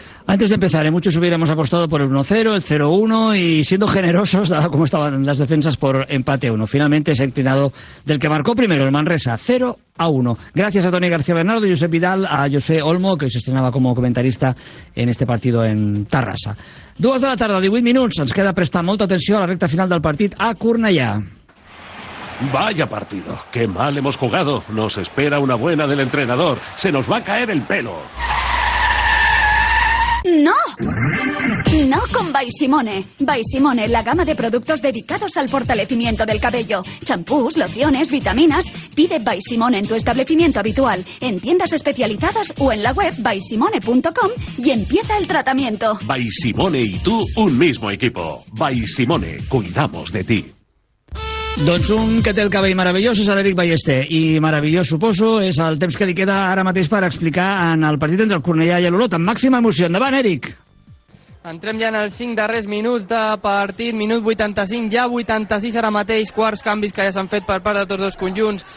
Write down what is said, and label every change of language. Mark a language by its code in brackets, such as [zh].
[es] Antes de empezar, muchos hubiéramos apostado por el 1-0, el 0-1, y siendo generosos, dado cómo estaban las defensas, por empate 1. Finalmente se ha inclinado del que marcó primero, el Manresa, 0-1. Gracias a Toni García Bernardo, Josep Vidal, a José Olmo, que se estrenaba como comentarista en este partido en Terrassa. [ca] 2:00 p.m, 18 minuts, ens queda prestar molta atenció a la recta final del partit a Cornellà. [es] Vaya partido, qué mal hemos jugado. Nos espera una buena del entrenador. Se nos va a caer el pelo. ¡No! ¡No con By Simone! By Simone, la gama de productos dedicados al fortalecimiento del cabello. Champús, lociones, vitaminas. Pide By Simone en tu establecimiento habitual, en tiendas especializadas o en la web bysimone.com y empieza el tratamiento. By Simone y tú, un mismo equipo. By Simone, cuidamos de ti. [ca] Doncs un que té el cabell meravellós és l'Eric Ballester, i meravellós, suposo, és el temps que li queda ara mateix per explicar en el partit entre el Cornellà i l'Olot, amb màxima emoció. Endavant, Eric! Entrem ja en els 5 darrers minuts de partit, minut 85, ja 86 ara mateix, quarts canvis que ja s'han fet per part de tots dos conjunts.